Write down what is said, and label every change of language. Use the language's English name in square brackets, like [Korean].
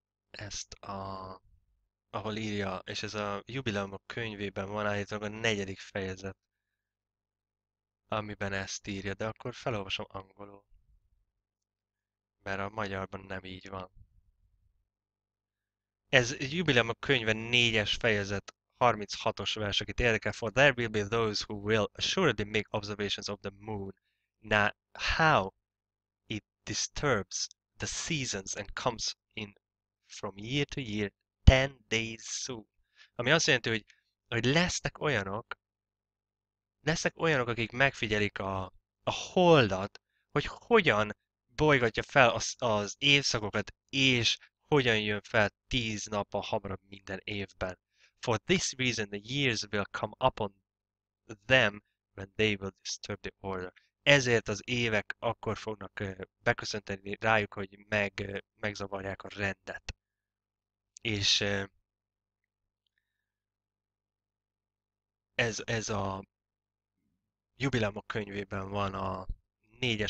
[Hungarian] Ezt a... Ahol írja, és ez a jubileumok könyvében van állítólag a negyedik fejezet, amiben ezt írja, de akkor felolvasom angolul. Mert a magyarban nem így van. Ez jubileumok könyve 4. fejezet, 36-os vers, akit érdekel. [English] For there will be those who will assuredly make observations of the moon. Now, how it disturbs the seasons and comes in from year to year, 10 days soon. [Hungarian] Ami azt jelenti, hogy lesznek olyanok, akik megfigyelik a holdat, hogy hogyan bolygatja fel az évszakokat, és hogyan jön fel 10 nappal hamarabb minden évben. [English] For this reason the years will come upon them when they will disturb the order. [Hungarian] Ezért az évek akkor fognak beköszönteni rájuk, hogy megzavarják a rendet. És ez a jubileumok könyvében van a 4.